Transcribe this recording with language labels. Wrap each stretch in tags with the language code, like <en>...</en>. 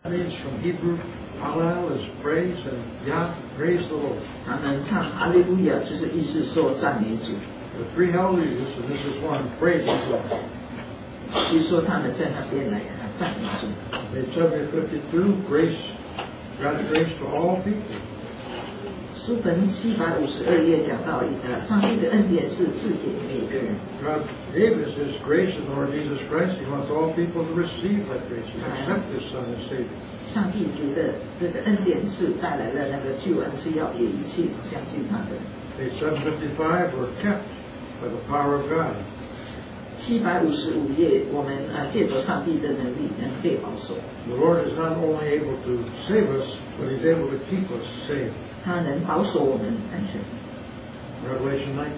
<en>means from Hebrew, Allah is praise and Yah, praise the Lord.</en> <zh>他们唱 Hallelujah 就是意思说赞美主。</zh> <en>The three Hallelujahs, and this is one, praise the Lord.</en> <zh>据说他们在那边来赞美主。</zh> <en>Isaiah 52, grace, God's grace to all people.</en> <zh>书本752页讲到上帝的恩典是赐给每个人。</zh> <en>God gave us His grace in the Lord Jesus Christ. He wants all people to receive that grace, to accept His Son as Savior.</en> <zh>上帝的恩典是带来了那个救恩，是要给一切相信他的。</zh> <en>Isaiah 55 were kept by the power of God.</en> <zh>755页，我们借着上帝的能力能被保守。</zh> <en>The Lord is not only able to save us, but He's able to keep us saved.</en> <zh>他能保守我们安全。Revelation</zh>